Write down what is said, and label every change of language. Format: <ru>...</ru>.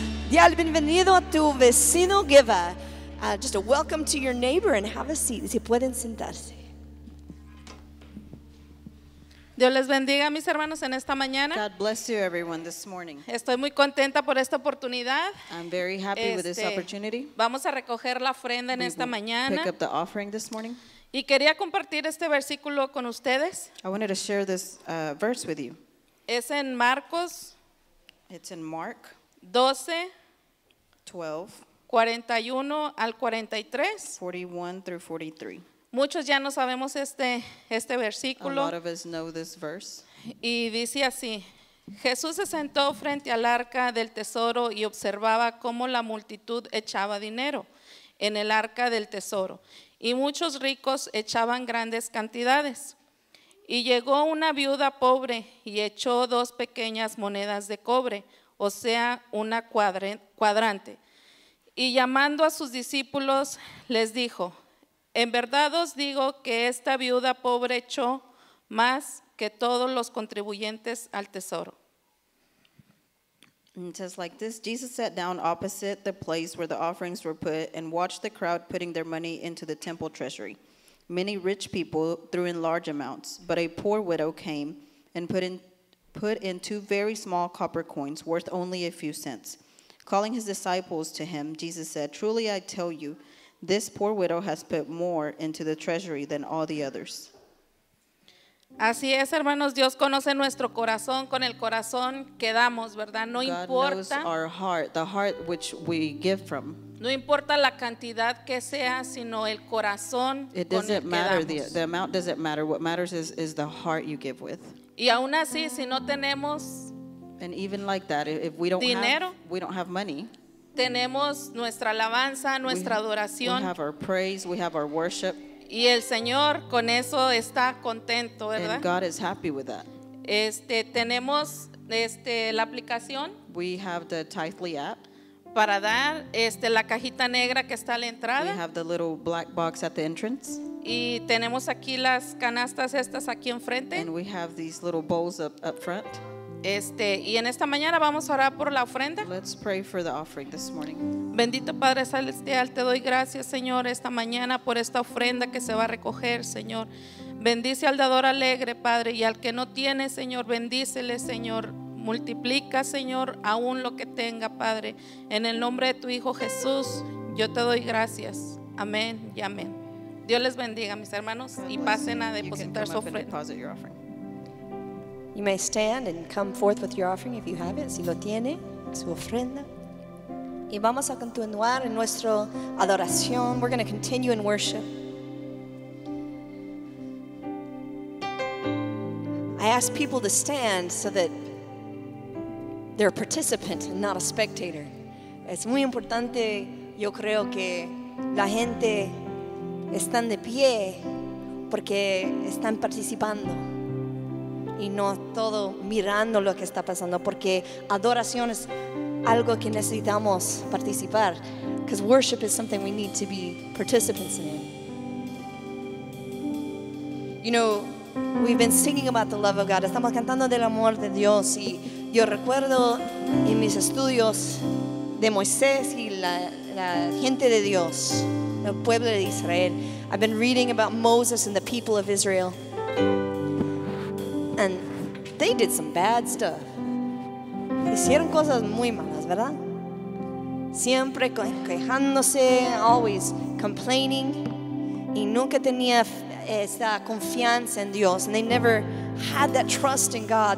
<es>Dial bienvenido a tu vecino,</es> <en>give just a welcome to your neighbor and have a seat.</en> <es>Si pueden sentarse. Dios les bendiga, mis hermanos, en esta mañana.</es> <en>God bless you, everyone, this morning.</en> <es>Estoy muy contenta por esta oportunidad.</es> <en>I'm very happy with this opportunity.</en> <es>Vamos a recoger la ofrenda en esta mañana.</es> <en>Pick up the offering this morning.</en> <es>Y quería compartir este versículo con ustedes.</es> <en>I wanted to share this verse with you.</en> <es>Es en Marcos.</es> <en>It's in Mark.</en> <es>12,</es> <en>12,</en> <es>41 al 43.</es> <en>41 through 43.</en> <es>Muchos ya no sabemos este versículo.</es> <en>A lot of us know this verse.</en> <es>Y dice así: Jesús se sentó frente al arca del tesoro y observaba cómo la multitud echaba dinero en el arca del tesoro, y muchos ricos echaban grandes cantidades. Y llegó una viuda pobre y echó dos pequeñas monedas de cobre, o sea, una cuadrante. Y llamando a sus discípulos, les dijo: en verdad os digo que esta viuda pobre echó más que todos los contribuyentes al tesoro.</es> <en>It says like this: Jesus sat down opposite the place where the offerings were put and watched the crowd putting their money into the temple treasury. Many rich people threw in large amounts, but a poor widow came and put in two very small copper coins worth only a few cents. Calling his disciples to him, Jesus said, truly I tell you, this poor widow has put more into the treasury than all the others.</en> <es>Así es, hermanos, Dios conoce nuestro corazón, con el corazón que damos, ¿verdad? No</es> <en>God</en> <es>importa.</es> <en>God knows our heart, the heart which we give from.</en> <es>No importa la cantidad que sea, sino el corazón con el que damos.</es> <en>It doesn't matter, the amount doesn't matter. What matters is the heart you give with.</en> <es>Y aún así, si no tenemos dinero,</es> <en>we don't have money,</en> <es>tenemos nuestra alabanza, nuestra adoración.</es> <en>We have our praise, we have our worship.</en> <es>Y el Señor con eso está contento, ¿verdad?</es> <en>And God is happy with that.</en> <es>Tenemos la aplicación.</es> <en>We have the Tithely app.</en> <es>Para dar la cajita negra que está a la entrada.</es> <en>We have the little black box at the entrance.</en> <es>Y tenemos aquí las canastas estas aquí enfrente.</es> <en>And we have these little bowls up front.</en> <es>Y en esta mañana vamos a orar por la ofrenda.</es> <en>Let's pray for the offering this morning.</en> <es>Bendito Padre Celestial, te doy gracias, Señor, esta mañana por esta ofrenda que se va a recoger, Señor. Bendice al dador alegre, Padre, y al que no tiene, Señor, bendícele, Señor. Multiplica, Señor, aún lo que tenga, Padre. En el nombre de tu Hijo Jesús, yo te doy gracias. Amén y amén. Dios les bendiga, mis hermanos, y pasen a depositar su ofrenda.</es> <en>You may stand and come forth with your offering if you have it,</en> <es>si lo tiene, su ofrenda. Y vamos a continuar en nuestra adoración.</es> <en>We're going to continue in worship. I ask people to stand so that they're a participant and not a spectator.</en> <es>Es muy importante, yo creo, que la gente están de pie porque están participando y no todo mirando lo que está pasando, porque adoración es algo que necesitamos participar,</es> <en>because worship is something we need to be participants in. You know, we've been singing about the love of God.</en> <es>Estamos cantando del amor de Dios, y yo recuerdo en mis estudios de Moisés y la gente de Dios, el pueblo de Israel.</es> <en>I've been reading about Moses and the people of Israel, and they did some bad stuff.</en> <es>Hicieron cosas muy malas, ¿verdad? Siempre quejándose,</es> <en>always complaining,</en> <es>y nunca tenía esa confianza en Dios,</es> <en>and they never had that trust in God.</en>